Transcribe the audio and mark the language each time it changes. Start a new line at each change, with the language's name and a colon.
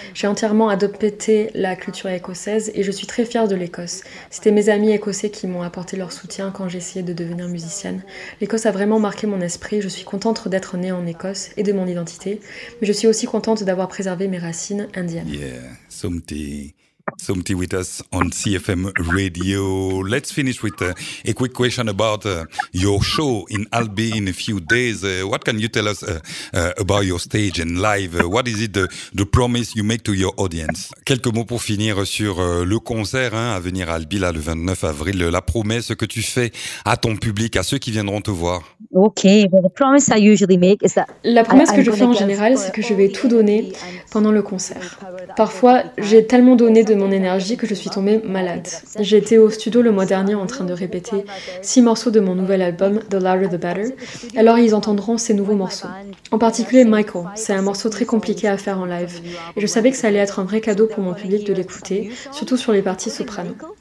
French: J'ai entièrement adopté la culture écossaise et je suis très fière de l'Écosse. C'était mes amis écossais qui m'ont apporté leur soutien quand j'essayais de devenir musicienne. L'Écosse a vraiment marqué mon esprit. Je suis contente d'être née en Écosse et de mon identité. Mais je suis aussi contente d'avoir préservé mes racines indiennes.
English: Yeah, Sumti. Sumti with us on CFM Radio. Let's finish with a quick question about your show in Albi in a few days. What can you tell us about your stage and live? What is it the promise you make to your audience?
French: Quelques mots pour finir sur le concert à venir à Albi là, le 29 avril. La promesse que tu fais à ton public, à ceux qui viendront te voir.
English: Okay, well, the promise I usually make is that
French: la promesse que je fais en général, c'est que je vais tout donner pendant le concert. Parfois, j'ai tellement donné de mon énergie que je suis tombée malade. J'étais au studio le mois dernier en train de répéter 6 morceaux de mon nouvel album The Louder the Better. Alors ils entendront ces nouveaux morceaux. En particulier Michael, c'est un morceau très compliqué à faire en live et je savais que ça allait être un vrai cadeau pour mon public de l'écouter, surtout sur les parties soprano.